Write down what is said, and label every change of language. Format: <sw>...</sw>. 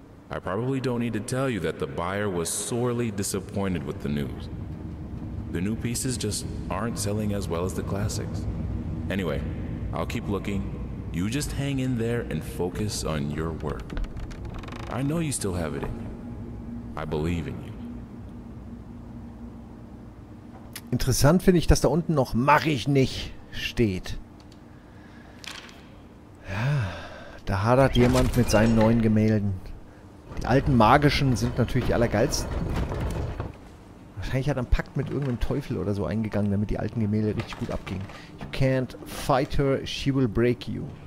<en>I probably don't need to tell you that the buyer was sorely disappointed with the news. The new pieces just aren't selling as well as the classics. Anyway, I'll keep looking. You just hang in there and focus on your work. I know you still have it in you. I believe in you.</en> <de>Interessant finde ich, dass da unten noch "mach ich nicht" steht. Ja, da hadert jemand mit seinen neuen Gemälden. Die alten magischen sind natürlich die allergeilsten. Wahrscheinlich hat er einen Pakt mit irgendeinem Teufel oder so eingegangen, damit die alten Gemälde richtig gut abgingen.</de> <en>You can't fight her, she will break you.</en>